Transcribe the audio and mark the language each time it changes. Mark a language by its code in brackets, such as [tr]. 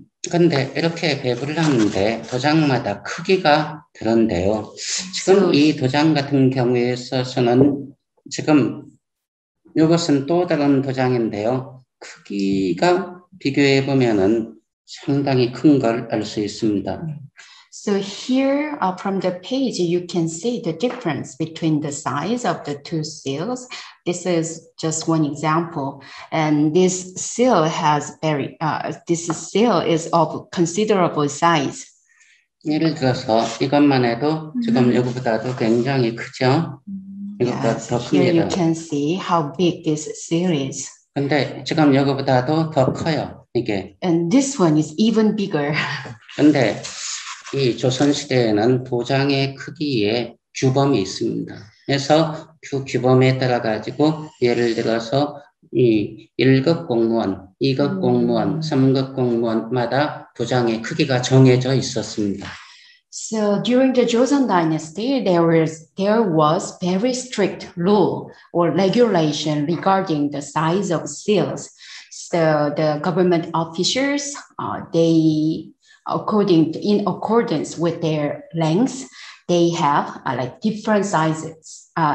[ko] 근데 이렇게 배부를 하는데 도장마다 크기가 다른데요. 지금 so, 이 도장 같은 경우에 있어서는 지금 이것은 또 다른 도장인데요. 크기가 비교해 보면은 상당히 큰 걸 알 수 있습니다. [en] So here from the page, you can see the difference between the size of the two seals. This is just one example. And this seal has very, this seal is of considerable size. [ko] 예를 들어서 이것만 해도 지금 이거보다도 굉장히 크죠? [en] Yes, here you can see how big this seal is. [ko] 근데 지금 여기보다도 더 커요, 이게. [en] And this one is even bigger. [ko] 근데 이 조선 시대에는 도장의 크기에 규범이 있습니다. 그래서 그 규범에 따라 가지고 예를 들어서 이 1급 공무원, 2급 공무원, 3급 공무원마다 도장의 크기가 정해져 있었습니다. [en] So during the Joseon Dynasty, there was very strict rule or regulation regarding the size of seals. So the government officials, in accordance with their length, they have different sizes.